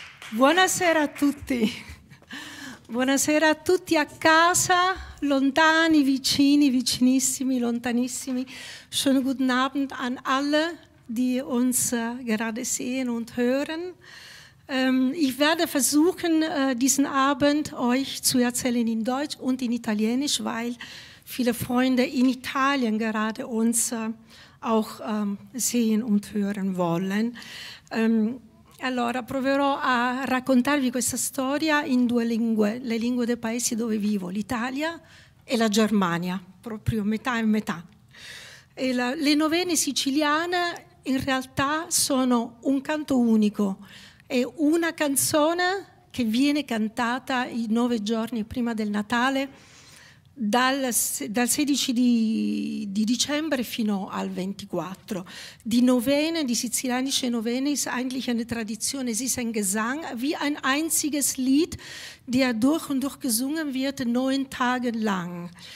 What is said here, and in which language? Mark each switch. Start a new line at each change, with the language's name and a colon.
Italian: Buonasera a tutti, buonasera a tutti a casa, lontani, vicini, vicinissimi, lontanissimi.
German: Schönen guten Abend an alle, die uns gerade sehen und hören. Ich werde versuchen, diesen Abend euch zu erzählen in Deutsch und in Italienisch, weil viele Freunde in Italien gerade uns auch sehen und hören wollen.
Italian: Allora, proverò a raccontarvi questa storia in due lingue, le lingue dei paesi dove vivo, l'Italia e la Germania, proprio metà e metà. E le novene siciliane in realtà sono un canto unico, è una canzone che viene cantata i 9 giorni prima del Natale, dal 16 di dicembre fino al 24.
German: Die Novene, die sizilianische Novene, ist eigentlich eine Tradition, es ist ein Gesang, wie ein einziges Lied, der durch und durch gesungen wird, 9 Tage lang.